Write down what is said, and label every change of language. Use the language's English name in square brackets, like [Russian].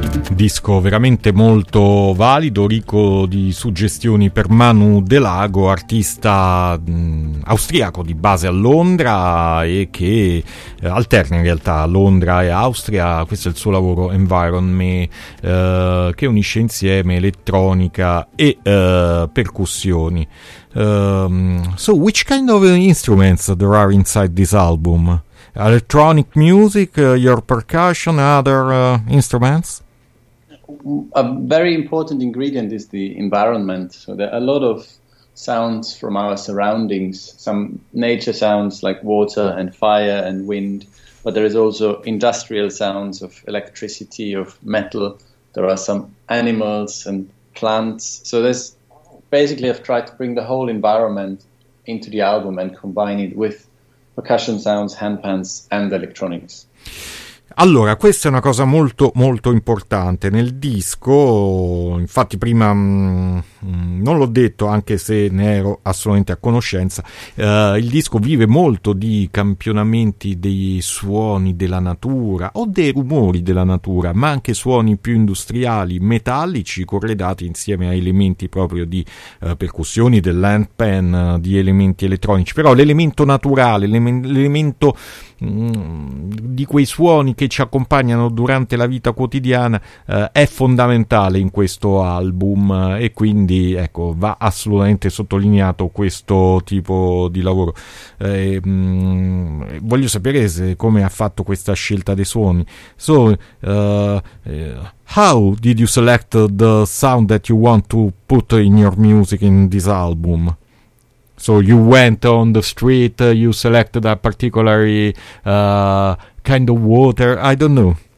[Italian] disco veramente molto valido, ricco di suggestioni per Manu De Lago, artista austriaco di base a Londra e che alterna in realtà Londra e Austria. Questo è il suo lavoro Environment, che unisce insieme elettronica e percussioni. [English] So which kind of instruments there are inside this album? Electronic music, your percussion, other instruments? A very important ingredient is the environment. So there are a lot of sounds from our surroundings, some nature sounds like water and fire and wind, but there is also industrial sounds of electricity, of metal. There are some animals and plants. So there's basically, I've tried to bring the whole environment into the album and combine it with percussion sounds, handpans and electronics. [Italian] Allora, questa è una cosa molto molto importante nel disco. Infatti prima non l'ho detto, anche se ne ero assolutamente a conoscenza, il disco vive molto di campionamenti dei suoni della natura o dei rumori della natura, ma anche suoni più industriali, metallici, corredati insieme a elementi proprio di percussioni, del handpan, di elementi elettronici. Però l'elemento naturale, l'elemento di quei suoni che ci accompagnano durante la vita quotidiana è fondamentale in questo album, e quindi ecco, va assolutamente sottolineato questo tipo di lavoro. Voglio sapere se, come ha fatto questa scelta dei suoni. [English] So how did you select the sound that you want to put in your music in this album? So you went on the street, you selected a particular kind of water, I don't know.